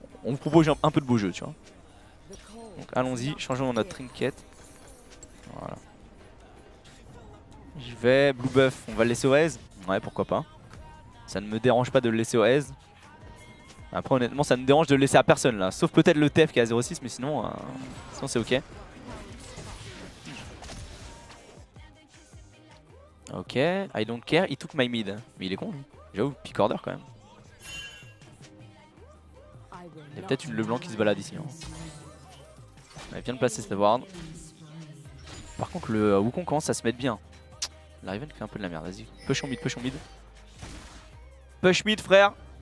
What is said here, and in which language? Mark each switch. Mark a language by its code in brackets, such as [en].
[fr] On vous propose un peu de beau jeu tu vois. Donc allons-y, changeons notre trinket. Voilà. Je vais blue buff, on va le laisser au Aze. Ouais, pourquoi pas. Ça ne me dérange pas de le laisser au Aze. Après honnêtement, ça ne dérange de le laisser à personne là. Sauf peut-être le TF qui est à 0-6, mais sinon, sinon c'est ok. [en] Ok, I don't care, he took my mid. [fr] Mais il est con lui. J'avoue, pick order quand même. Il y a peut-être une Leblanc qui se balade ici. Hein. Elle vient de placer cette ward. Par contre, le Wukong commence à se mettre bien. La Riven fait un peu de la merde, vas-y. Push en mid, push en mid. Push mid, frère.